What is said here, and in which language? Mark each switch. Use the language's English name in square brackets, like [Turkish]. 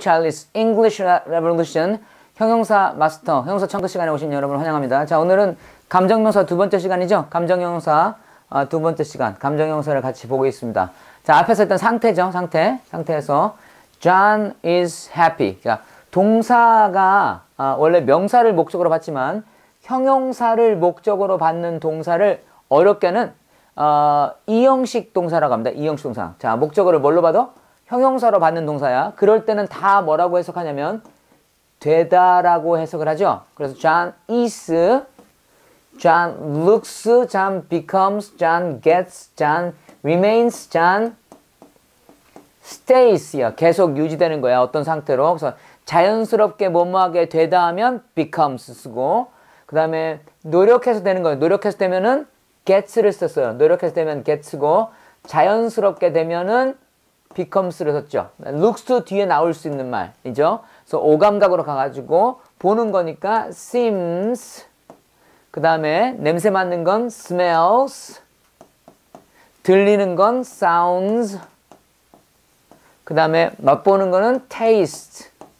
[Korean] Charlie's English Revolution 형용사 마스터, 형용사 청구 시간에 오신 여러분을 환영합니다. 자, 오늘은 감정명사 두 번째 시간이죠. 감정형용사 두 번째 시간, 감정형용사를 같이 보고 있습니다. 자, 앞에서 일단 상태죠. 상태에서 [English] John is happy. [Korean] 그러니까 동사가 원래 명사를 목적으로 받지만 형용사를 목적으로 받는 동사를 어렵게는 이형식 동사라고 합니다. 이형식 동사. 자, 목적어를 뭘로 받아? 형용사로 받는 동사야. 그럴 때는 다 뭐라고 해석하냐면 되다라고 해석을 하죠. 그래서 [English] John is, John looks, John becomes, John gets, John remains, John stays야. [Korean] 계속 유지되는 거야. 어떤 상태로. 그래서 자연스럽게 뭐뭐하게 되다 하면 becomes 쓰고, 그 다음에 노력해서 되는 거예요. 노력해서 되면은 gets를 썼어요. 노력해서 되면 gets고, 자연스럽게 되면은 becomes를 썼죠. looks to 뒤에 나올 수 있는 말이죠. 그래서 오감각으로 가가지고 보는 거니까 seems, 그 다음에 냄새 맡는 건 smells, 들리는 건 sounds, 그 다음에 맛보는 거는 taste.